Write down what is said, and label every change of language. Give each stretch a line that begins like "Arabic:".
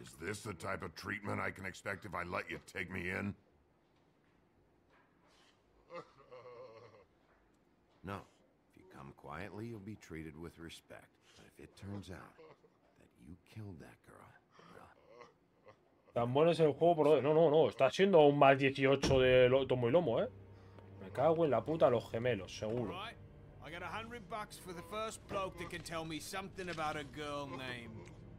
English: Is this the type of treatment I can expect if I let you take me in? No. If you come quietly, you'll be treated with respect. But if it turns out that you killed that girl,
Spanish: tan bueno es el juego, pero no. Está siendo un más 18 de tomo y lomo, ¿eh? Me cago en la puta los gemelos, seguro.
English: I got 100 bucks for the first bloke that can tell me something about a girl named.